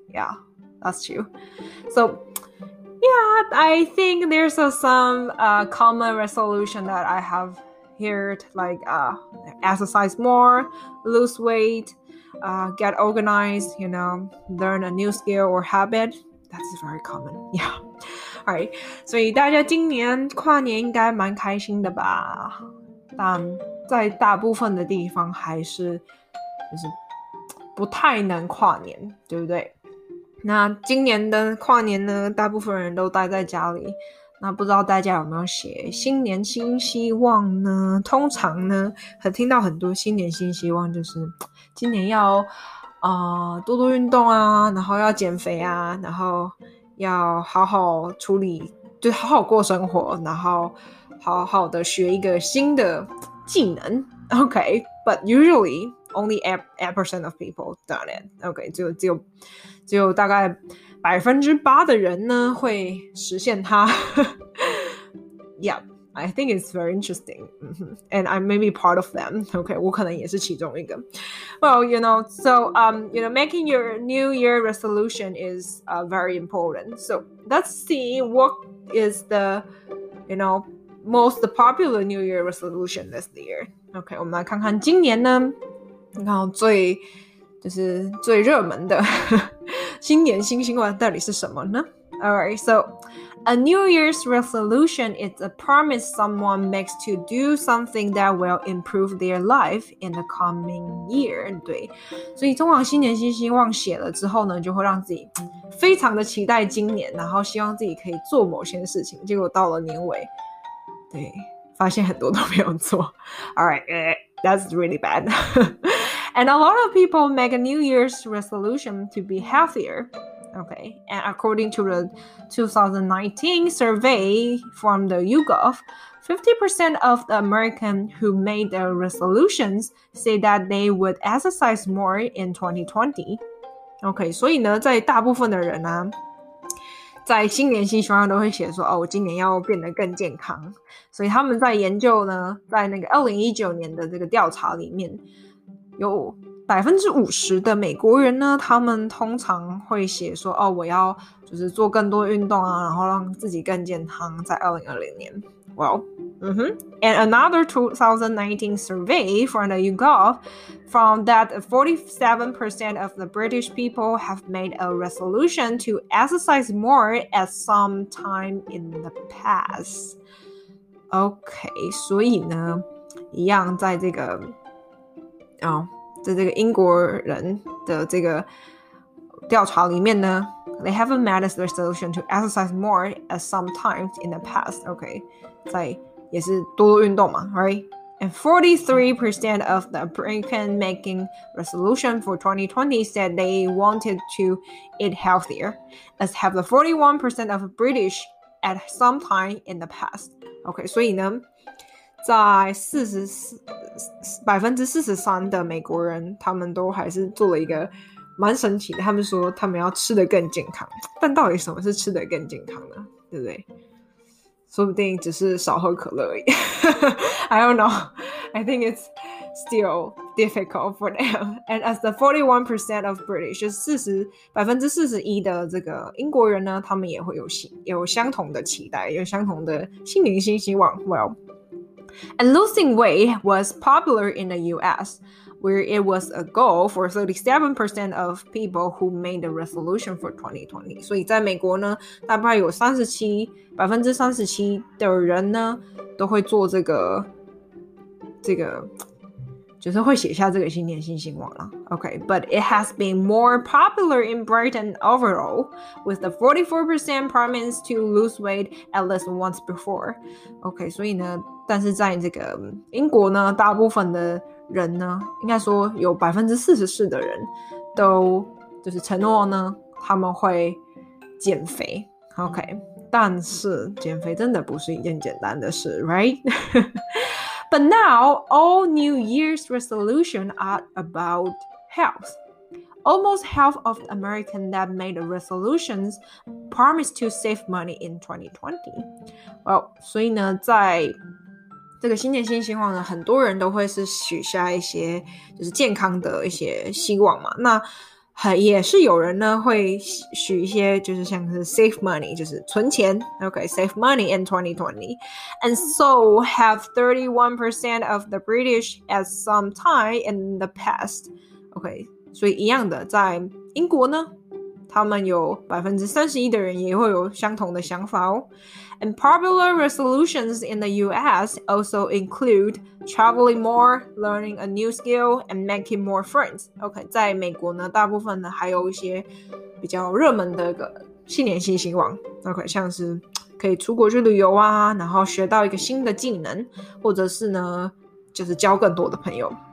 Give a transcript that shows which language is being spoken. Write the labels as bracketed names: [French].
[English] Yeah, that's true. So, yeah, I think there's some common resolution that I have here, like exercise more, lose weight, get organized, you know, learn a new skill or habit. That's very common. Yeah. All right. [Chinese] 所以大家今年跨年应该蛮开心的吧？但在大部分的地方还是就是不太能跨年，对不对？那今年的跨年呢，大部分人都待在家里。那不知道大家有没有写新年新希望呢？通常呢，很听到很多新年新希望就是今年要多多运动啊，然后要减肥啊，然后要好好处理，就好好过生活，然后好好的学一个新的技能。 [English] Okay, but usually only 8% of people done it. [Chinese] Okay, 只有大概8%的人呢会实现它。 [English] Yeah, I think it's very interesting. And I may be part of them. [Chinese] Okay, 我可能也是其中一个。 [English] Well, you know, so, you know, making your New Year resolution is very important. So let's see what is the, you know, most popular New Year resolution this year. [Chinese] Okay, 我们来看看今年呢，你看最就是最热门的新年新希望到底是什么呢？ [English] Alright, so a New Year's resolution is a promise someone makes to do something that will improve their life in the coming year. [Chinese] 对，所以通常新年新希望写了之后呢，就会让自己非常的期待今年，然后希望自己可以做某些事情，结果到了年尾，对，发现很多都没有做。 [English] Alright, that's really bad. And a lot of people make a New Year's resolution to be healthier. Okay, and according to the 2019 survey from the YouGov, 50% of the Americans who made the resolutions say that they would exercise more in 2020. [Chinese] Okay, 所以呢，在大部分的人呢，在新年新希望都会写说，哦，我今年要变得更健康。所以他们在研究呢，在那个2019年的这个调查里面，有 50% 的美国人呢，他们通常会写说，哦，我要就是做更多运动啊，然后让自己更健康，在2020年。 [English] Well, And another 2019 survey from the YouGov found that 47% of the British people have made a resolution to exercise more at some time in the past. Okay, [Chinese] 所以呢，一样在这个在这个英国人的这个调查里面呢， [English] they haven't met a resolution to exercise more at some time in the past. [Chinese] Okay, 在也是多多运动嘛， [English] right? And 43% of the American making resolution for 2020 said they wanted to eat healthier, as have the 41% of British at some time in the past. [Chinese] Okay, 所以呢，在43%的美国人，他们都还是做了一个蛮神奇的，他们说他们要吃得更健康，但到底什么是吃得更健康呢？对不对？说不定只是少喝可乐而已。 [English] I don't know. I think it's still difficult for them. And as the 41% of British, [Chinese] 41% 的这个英国人呢，他们也会有相同的期待，有相同的心灵新希望。 [English] Well,And losing weight was popular in the U.S., where it was a goal for 37% of people who made the resolution for 2020. [Chinese] 所以在美国呢，大概有37%的人呢，都会做这个，就是会写下这个新年新希望啦。 [English] Okay, but it has been more popular in Britain overall, with the 44% promise to lose weight at least once before. [Chinese] Okay, 所以呢，但是在这个英国呢，大部分的人呢，应该说有44%的人都就是承诺呢，他们会减肥。 Okay, 但是减肥真的不是一件简单的事 ， [English] right? But now, all New Year's resolutions are about health. Almost half of Americans that made resolutions promised to save money in 2020. [Chinese] Well, 所以呢，在这个新年新希望呢，很多人都会是许下一些就是健康的一些希望嘛。那也是有人呢会许一些就是像是 [English] save money, [Chinese] 就是存钱 ,okay, [English] save money in 2020. And so have 31% of the British at some time in the past. [Chinese] Okay, 所以一样的在英国呢他们有 31% 的人也会有相同的想法哦。 [English] And popular resolutions in the US also include traveling more, learning a new skill, and making more friends. [Chinese] OK, 在美国呢大部分呢还有一些比较热门的个新年新希望。 OK, 像是可以出国去旅游啊然后学到一个新的技能或者是呢就是交更多的朋友。